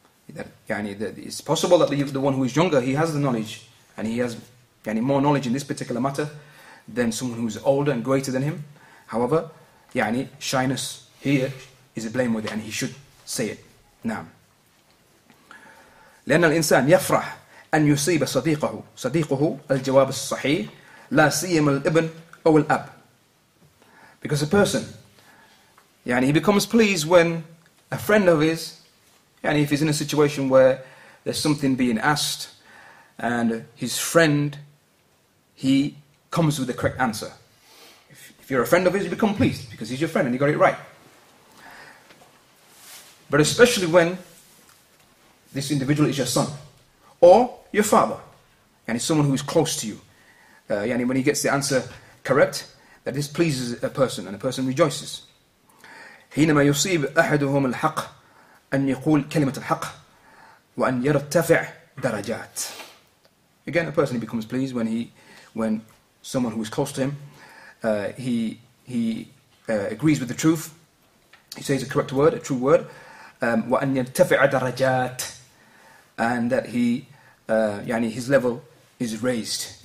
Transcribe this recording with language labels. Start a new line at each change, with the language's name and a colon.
English: That, yani, that it's possible that the one who is younger, he has the knowledge and he has, yani, more knowledge in this particular matter than someone who is older and greater than him. However, yani, shyness here is a blame with it, and he should say it.
Arabic: Naam. لأن الإنسان يفرح أن يصيب صديقه الجواب الصحيح لا سيما الإبن أو الأب.
English: Because a person, yani, he becomes pleased when a friend of his, and if he's in a situation where there's something being asked and his friend, he comes with the correct answer. If you're a friend of his, you become pleased because he's your friend and you got it right. But especially when this individual is your son or your father, and it's someone who is close to you, and when he gets the answer correct, that this pleases a person and a person rejoices.
Arabic: حينما يصيب أحدهم الحق أن يقول كلمة الحق وأن يرتفع درجات.
English: Again, a person, he becomes pleased when someone who is close to him, he agrees with the truth. He says a correct word, a true word.
Arabic: وأن يرتفع درجات,
English: and that he, يعني, his level is raised.